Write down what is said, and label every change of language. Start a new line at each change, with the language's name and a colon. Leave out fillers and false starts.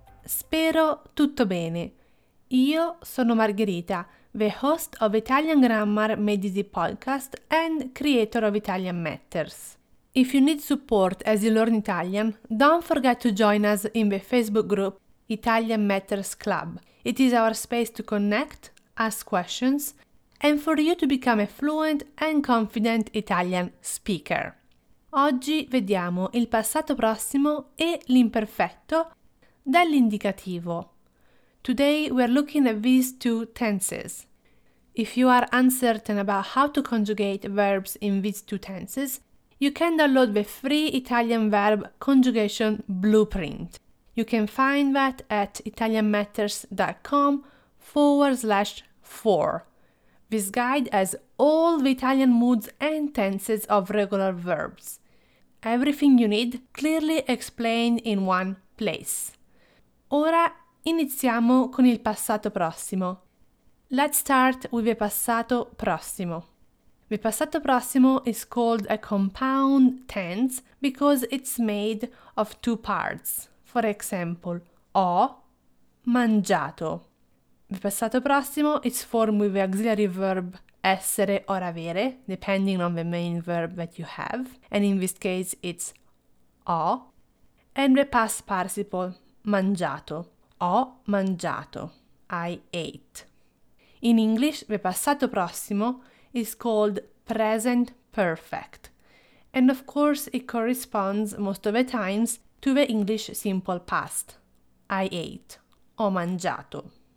Italian: Spero tutto bene. Io sono Margherita,
English: the host of Italian Grammar Made Easy podcast and creator of Italian Matters. If you need support as you learn Italian, don't forget to join us in the Facebook group Italian Matters Club. It is our space to connect, ask questions, and for you to become a fluent and confident Italian speaker.
Italian: Oggi vediamo il passato prossimo e l'imperfetto dall'indicativo.
English: Today we are looking at these two tenses. If you are uncertain about how to conjugate verbs in these two tenses, you can download the free Italian verb conjugation blueprint. You can find that at italianmatters.com/4. This guide has all the Italian moods and tenses of regular verbs. Everything you need clearly explained in one place.
Italian: Ora iniziamo con il passato prossimo.
English: Let's start with the passato prossimo. The passato prossimo is called a compound tense because it's made of two parts. For example,
Italian: ho mangiato.
English: The passato prossimo is formed with the auxiliary verb essere or avere, depending on the main verb that you have, and in this case it's ho, and the past participle, mangiato.
Italian: Ho mangiato.
English: I ate. In English, the passato prossimo is called present perfect, and of course it corresponds most of the times to the English simple past. I ate. Ho mangiato.